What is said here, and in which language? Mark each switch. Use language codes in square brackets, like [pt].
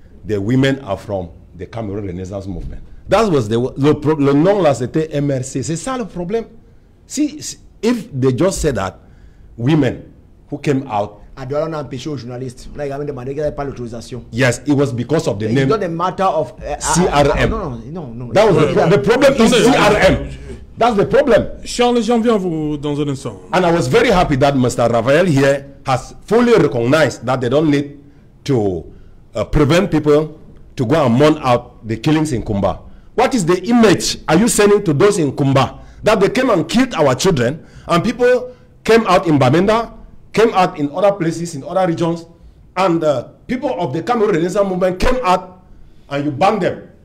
[en] The women are from the Cameroon Renaissance Movement. That was the [fr] nom là c'était MRC. C'est ça le problème. [en] See, if they just said that, women who came out. [fr] On a empêché aux journalistes. On a également demandé qu'ils n'avaient pas l'autorisation. [en] Yes, it was because of the name. It's not a matter of CRM. No. That was the problem. Is CRM. That's the problem. [fr] Charles, j'en viens à vous dans un instant. [en] And I was very happy that Mr. Raphael here has fully recognized that they don't need to prevent people to go and mourn out the killings in Koumba. What is the image are you sending to those in Koumba that they came and killed our children and people came out in Bamenda, came out in other places, in other regions, and people of the Cameroon Renaissance Movement came out and you banned them.